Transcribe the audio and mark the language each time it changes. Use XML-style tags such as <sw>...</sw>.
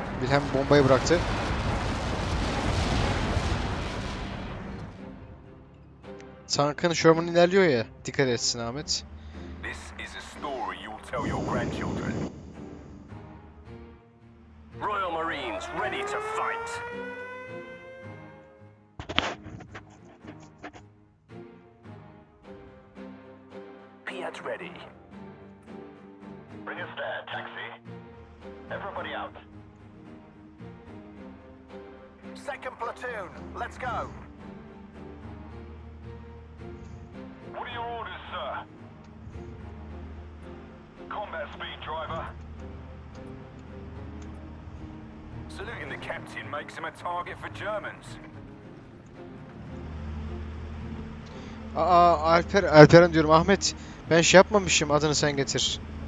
<tr>Hem bombayı bıraktı. Tankın Sherman ilerliyor ya. Dikkat etsin Ahmet.</tr> <en>This is a story you will tell your grandchildren. Royal Marines ready to fight. Piat ready. Bring us there, taxi. Everybody out. Second platoon, let's go. What are your orders, sir? Combat speed, driver. Saluting the captain makes him a target for Germans.</en> <tr>Aa, Alper, Alperen diyorum. Ahmet, ben şey yapmamışım, adını sen getir.</tr>